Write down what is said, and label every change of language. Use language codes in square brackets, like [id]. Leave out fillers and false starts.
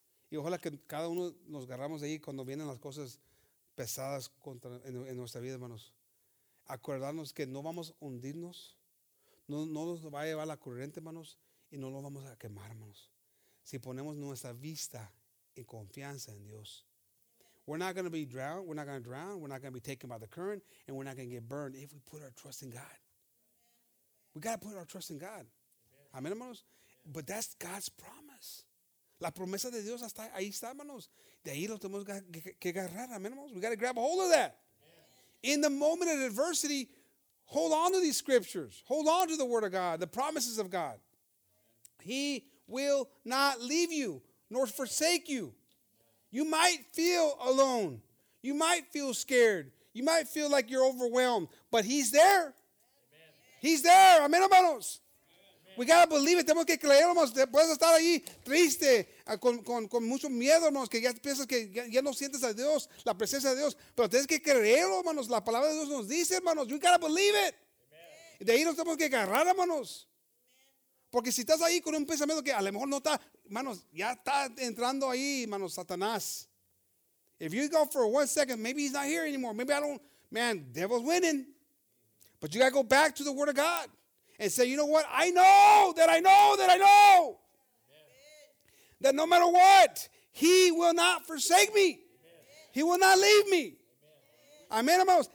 [es] Y ojalá que cada uno nos agarramos de ahí cuando vienen las cosas pesadas en nuestra vida, hermanos. Acordarnos que no vamos a hundirnos. No nos va a llevar la corriente, hermanos. Y no lo vamos a quemar, hermanos. Si ponemos nuestra vista en confianza en Dios. [en] We're not going to be drowned. We're not going to drown. We're not going to be taken by the current. And we're not going to get burned if we put our trust in God. We got to put our trust in God. Amen, hermanos. But that's God's promise. [es] La promesa de Dios hasta ahí está, hermanos. De ahí lo tenemos que agarrar, amen, hermanos. [en] We got to grab a hold of that. In the moment of adversity, hold on to these scriptures. Hold on to the word of God, the promises of God. He will not leave you nor forsake you. You might feel alone. You might feel scared. You might feel like you're overwhelmed. But he's there. He's there, amen, hermanos. We gotta believe it. [es] Tenemos que creer, hermanos. Puedes estar allí triste, con mucho miedo, hermanos, que ya piensas que ya no sientes a Dios, la presencia de Dios. Pero tienes que creerlo, hermanos. La palabra de Dios nos dice, hermanos. [en] You gotta believe it. [es] Amen. De ahí nos tenemos que agarrar, hermanos. Porque si estás ahí con un pensamiento que a lo mejor no está, hermanos, ya está entrando ahí, hermanos, Satanás. [en] If you go for one second, maybe he's not here anymore. Maybe I don't, man, devil's winning. But you got to go back to the word of God and say, you know what? I know that I know that I know. Amen. That no matter what, he will not forsake me. Amen. He will not leave me. Amen. Amen, hermanos.